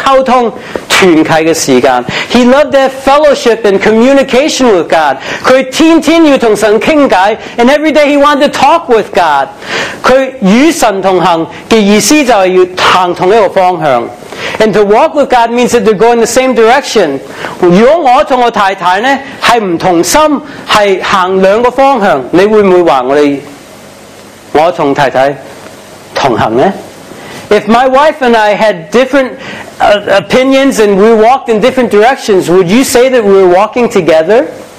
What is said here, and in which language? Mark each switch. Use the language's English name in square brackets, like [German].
[Chinese] 他是喜欢与神有沟通,团契的时间。 [English] He loved that fellowship and communication with God. [Chinese] 他天天与神倾偈, [English] and every day he wanted to talk with God. [Chinese] 他与神同行的意思就是要行同一个方向。 [English] And to walk with God means that they're going the same direction. [Chinese] 如果我和我太太是不同心,是行两个方向, 你会不会说我和太太同行呢? [English] If my wife and I had different opinions and we walked in different directions, would you say that we were walking together?